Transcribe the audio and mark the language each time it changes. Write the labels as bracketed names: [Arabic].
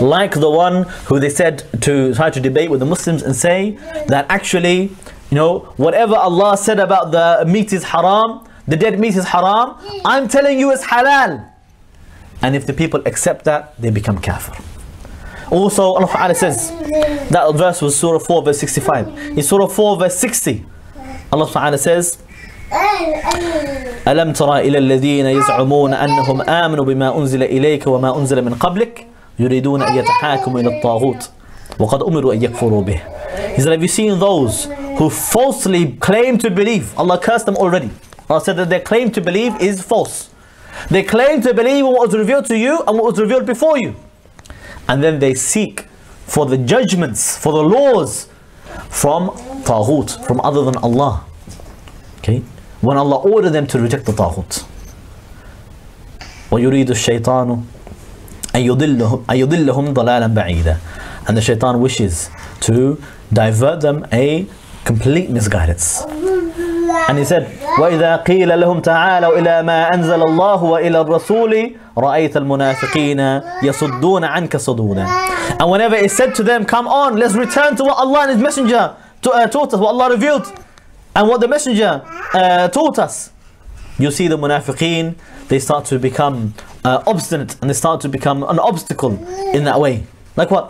[English] Like the one who they said to try to debate with the Muslims and say that actually, you know, whatever Allah said about the meat is haram, the dead meat is haram, I'm telling you it's halal. And if the people accept that, they become kafir. Also, Allah ta'ala says, that verse was Surah 4 verse 65. In Surah 4 verse 60, Allah ta'ala says, [Arabic] أَلَمْ تَرَى إِلَى الَّذِينَ يَزْعُمُونَ أَنَّهُمْ آمَنُوا بِمَا أُنزِلَ إِلَيْكَ وَمَا أُنزِلَ مِنْ قَبْلِكَ يُرِيدُونَ أَنْ يَتَحَاكُمُوا إِلَى الطَّاغُوتِ وَقَدْ أُمِرُوا أَنْ يَكْفُرُوا بِهِ. [English] He's like, have you seen those who falsely claim to believe? Allah cursed them already. Allah said that their claim to believe is false. They claim to believe in what was revealed to you and what was revealed before you. And then they seek for the judgments, for the laws from Taghut, from other than Allah. Okay? When Allah ordered them to reject the Taghut. [Arabic] وَيُرِيدُ الشَّيْطَانُ أَيُضِلَّهُمْ ضَلَالًا بَعِيدًا. [English] And the shaitan wishes to divert them a complete misguidance. And he said, [Arabic] وَإِذَا قِيلَ لَهُمْ تَعَالَوْا إِلَى مَا أَنزَلَ اللَّهُ وَإِلَى الرَّسُولِ رَأَيْتَ الْمُنَافِقِينَ يَصُدُّونَ عَنْكَ صُدُودًا. [English] And whenever it said to them, come on, let's return to what Allah and His Messenger taught us, what Allah revealed, and what the Messenger taught us, you see the munafiqeen, they start to become obstinate, and they start to become an obstacle in that way. Like what?